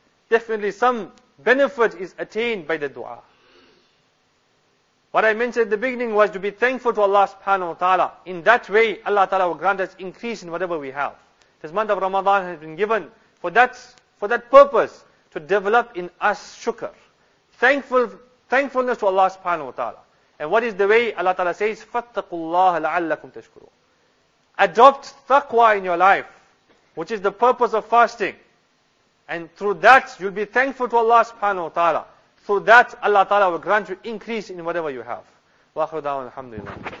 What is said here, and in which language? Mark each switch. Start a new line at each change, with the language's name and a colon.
English: Definitely some benefit is attained by the dua. What I mentioned at the beginning was to be thankful to Allah subhanahu wa ta'ala. In that way, Allah Ta'ala will grant us increase in whatever we have. This month of Ramadan has been given for that purpose, to develop in us shukr. Thankfulness to Allah subhanahu wa ta'ala. And what is the way? Allah Ta'ala says,
Arabic: فَاتَّقُوا اللَّهَ لَعَلَّكُمْ تَشْكُرُونَ.
English: Adopt taqwa in your life, which is the purpose of fasting. And through that, you'll be thankful to Allah subhanahu wa ta'ala. Through that, Allah Ta'ala will grant you increase in whatever you have.
Arabic: وَآخِرُ دَعْوَانَا الْحَمْدُ لِلَّهِ.